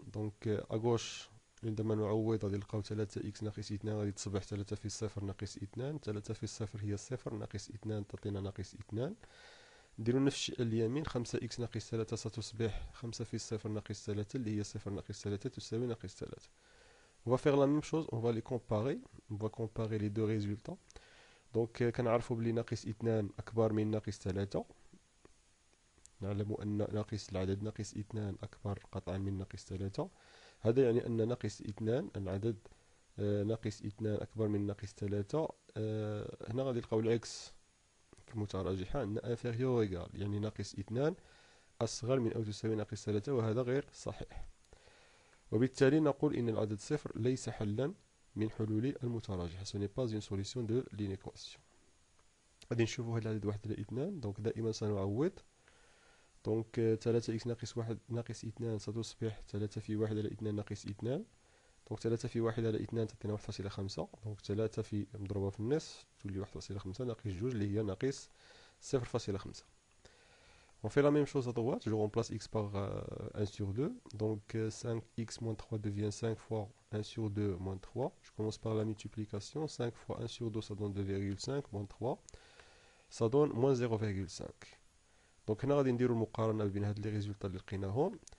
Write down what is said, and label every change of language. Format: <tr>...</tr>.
<ar>دونك اغوش عندما نعوض غادي نلقاو 3 x ناقص 2 غادي تصبح 3 في الصفر ناقص 2، 3 في الصفر هي الصفر ناقص 2 تعطينا ناقص 2. نديروا نفس الشيء على اليمين، 5 x ناقص 3 ستصبح 5 في الصفر ناقص 3 اللي هي الصفر ناقص 3 تساوي ناقص 3.</ar> <fr>On va faire la même chose, on va les comparer. On va comparer les deux résultats.</fr> <ar>Donc, كنعرفوا بلي ناقص 2 أكبر من ناقص 3. نعلم أن ناقص العدد ناقص 2 أكبر قطعا من ناقص 3. هذا يعني أن ناقص 2 العدد ناقص 2 أكبر من ناقص 3. هنا غادي نلقاو العكس في المتراجحة، أن inferior égal يعني ناقص 2 أصغر من أو تساوي ناقص 3، وهذا غير صحيح. وبالتالي نقول ان العدد صفر ليس حلا من حلول المتراجع.</ar> <fr>سو ني باز اون سوليسيون دو لينيكواسيون.</fr> <ar>غادي نشوفوا هذا العدد 1 على 2. دونك دائما سنعوض. دونك 3 اكس ناقص 1 ناقص 2 ستصبح 3 في 1 على 2 ناقص 2. دونك 3 في 1 على 2 تعطينا 1.5. دونك 3 في مضروبه في النصف تولي 1.5 ناقص 2 اللي هي ناقص 0.5.</ar> <fr>On fait la même chose à droite, je remplace x par 1 sur 2. Donc 5x moins 3 devient 5 fois 1 sur 2 moins 3. Je commence par la multiplication. 5 fois 1 sur 2, ça donne 2,5 moins 3. Ça donne moins 0,5. Donc, on va dire les résultats de l'Irkinahom.</fr>